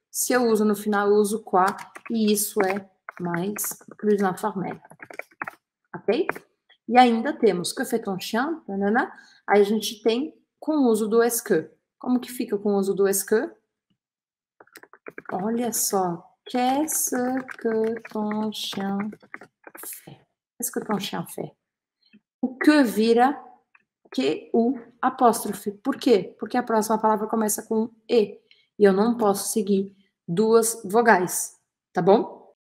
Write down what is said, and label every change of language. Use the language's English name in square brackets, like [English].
[Portuguese] Se eu uso no final, eu uso quoi. E isso é mais [French] plus informel. [Portuguese] Ok? E ainda temos que fait ton chien? Nanana. Aí a gente tem com o uso do est-ce que. Como que fica com o uso do est-ce que? Olha só. [French] Qu'est-ce que ton chien fait? Qu'est-ce que ton chien fait? [Portuguese] O que vira que, o, apóstrofe. Por quê? Porque a próxima palavra começa com E e eu não posso seguir duas vogais, tá bom?